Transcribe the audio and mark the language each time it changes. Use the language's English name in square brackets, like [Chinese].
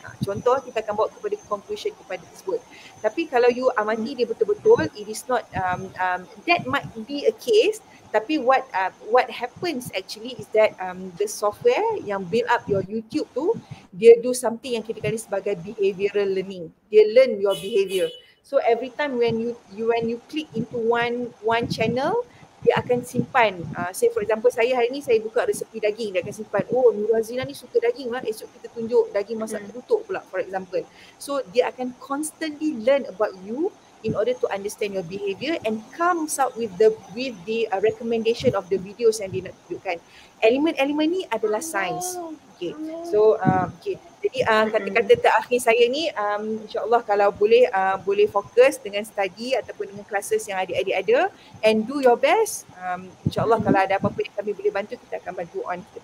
[Malay] Contoh, kita akan bawa kepada conclusion kepada tersebut. Tapi kalau [English] you [Malay] amati dia betul-betul, [English] it is not, that might be a case. Tapi what happens actually is that the software yang build up your YouTube tu, dia do something [Malay] yang kita kata sebagai [English] behavioral learning. Dia learn your behavior. So every time when you click into one channel, [Malay] dia akan simpan. [English] Say for example, [Malay] saya hari ni saya buka resepi daging, dia akan simpan. Oh, Nur Hazina ni suka daging lah. Esok kita tunjuk daging masak terutuk pula, [English] for example. So dia akan constantly learn about you in order to understand your behavior and comes out with the recommendation of the videos [Malay] yang dia nak tunjukkan. Elemen-elemen ni adalah sains. Okay. So, okay. Jadi kata-kata terakhir saya ni, insyaAllah kalau boleh, boleh fokus dengan study ataupun dengan classes yang adik-adik ada [English] and do your best. [Malay] InsyaAllah kalau ada apa-apa yang kami boleh bantu, kita akan bantu on kita